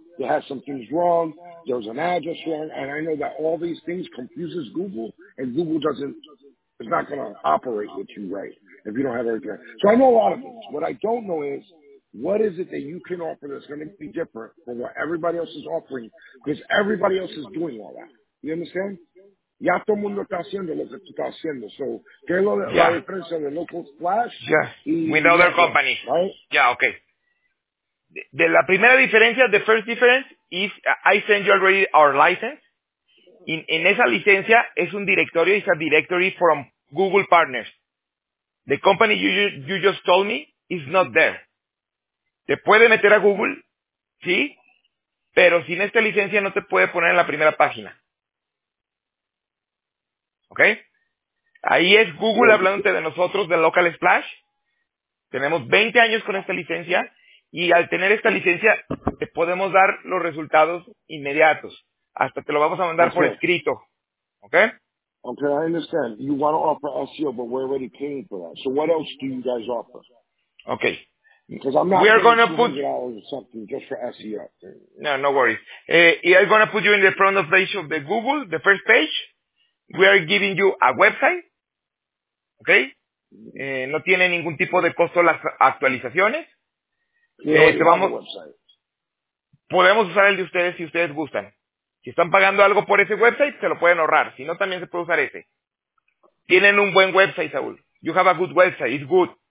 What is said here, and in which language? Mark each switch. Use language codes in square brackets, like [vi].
[en] They had some things wrong. There was an address wrong. And I know that all these things confuses Google, and Google doesn't. It's not going to operate what you write if you don't have everything. So I know a lot of things. What I don't know is, what is it that you can offer that's going to be different from what everybody else is offering? Because everybody else is doing all that. You understand? [es] Ya todo mundo está haciendo lo que tú estás haciendo. So, ¿qué es la diferencia de Local Splash? [en] We know their company. Right? Yeah, okay. [es] De la primera diferencia, [en] the first difference, is I send you already our license. [es] En esa licencia es un directorio, [en] it's a directory from Google Partners. The company you just told me is not there. [es] Te puede meter a Google, ¿sí? Pero sin esta licencia no te puede poner en la primera página. ¿Ok? Ahí es Google hablándote de nosotros, de Local Splash. Tenemos 20 años con esta licencia y al tener esta licencia te podemos dar los resultados inmediatos. Hasta te lo vamos a mandar por escrito. Okay? [en] Okay, I understand. You want to offer SEO, but we're already paying for that. So what else do you guys offer? Okay. Because I'm not we are going to put something just for SEO. No, no worries. I'm going to put you in the front of page of the Google, the first page. We are giving you a website. Okay? [es] No tiene ningún tipo de costo las actualizaciones. Te vamos... Podemos usar el de ustedes si ustedes gustan. Si están pagando algo por ese website, se lo pueden ahorrar. Si no, también se puede usar ese. Tienen un buen website, Saúl. [en] You have a good website. It's good.